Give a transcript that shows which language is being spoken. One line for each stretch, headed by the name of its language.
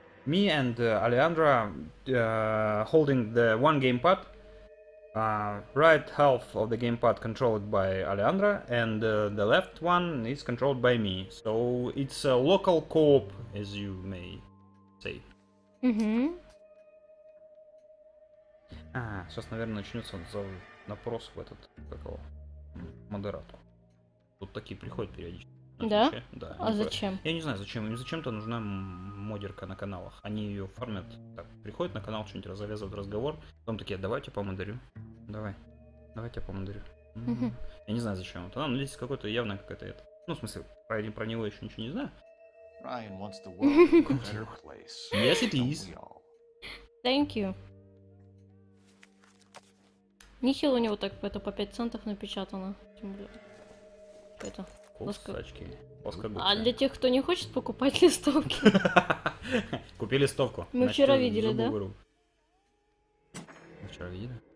English: me and Alejandra holding the one gamepad. Right half of the gamepad controlled by Alejandra, and the left one is controlled by me. So it's a local co-op, as you may say. Mm-hmm.
Russian: Сейчас, наверное, начнется запрос в этот, как его, модератку. Тут такие приходят периодически. Да? Да. А зачем? Я не знаю, зачем. Им зачем-то нужна модерка на каналах. Они ее фармят. Так, приходят на канал, что-нибудь развязывают разговор. Потом такие, давайте помодерю. Давай. Давайте помодерю. Mm-hmm. Я не знаю, зачем это. Но здесь какой-то явно какой-то это. Ну, в смысле, про него еще ничего не знаю.
English: Ryan wants the world to be a better place. Yes, it is. Thank you.
Russian: Нехило у него так это по 5 центов напечатано. Тем более. Это. Лосочки. А для тех, кто не хочет покупать листовки. Купи листовку. Мы вчера видели, да? Мы вчера видели?